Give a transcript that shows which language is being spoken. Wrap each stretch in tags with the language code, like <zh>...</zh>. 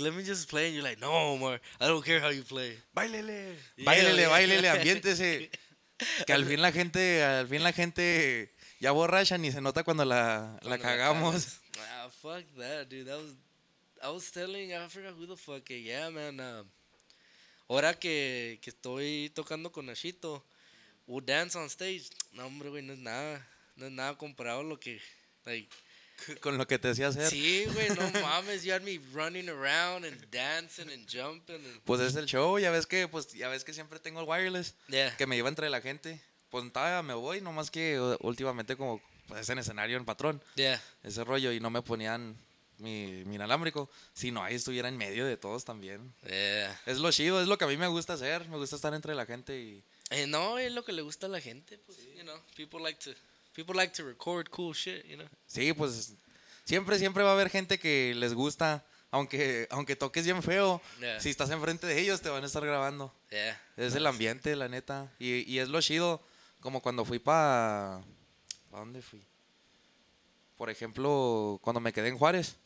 <en>Let me just play. And you're like, no, Omar, I don't care how you play.</en> <es>Báilele. Báilele, yeah, báilele, ambiéntese. Que al fin la gente ya borracha ni se nota cuando la cagamos.</es> <en>Ah, fuck that, dude. I was telling, I forgot who the fuck. Yeah, man.</en> <es>Ahora que estoy tocando con</es> <en>Nachito, we'll dance on stage.</en> <es>No, hombre, güey, no es nada. No es nada comparado a lo que, like... ¿Con lo que te hacía hacer? Sí, güey, no mames,</es> <en>you had me running around and dancing and jumping. And...</en> <es>Pues es el show, ya ves que siempre tengo el wireless.</es> <en>Yeah.</en> <es>Que me lleva entre la gente. Pues todavía me voy, nomás que últimamente como pues, es en escenario, en patrón.</es> <en>Yeah.</en> <es>Ese rollo, y no me ponían mi inalámbrico, sino ahí estuviera en medio de todos también.</es> <en>Yeah.</en> <es>Es lo chido, es lo que a mí me gusta hacer, me gusta estar entre la gente y... No, es lo que le gusta a la gente, pues, sí.</es> <en>You know, people like to... People like to record cool shit, you know.</en> <es>Sí, pues siempre va a haber gente que les gusta, aunque toques bien feo. Yeah. Si estás enfrente de ellos te van a estar grabando.</es> <en>Yeah.</en> <es>Es nice. El ambiente, la neta, y es lo chido. Como cuando fui para dónde fui. Por ejemplo, cuando me quedé en Juárez.</es>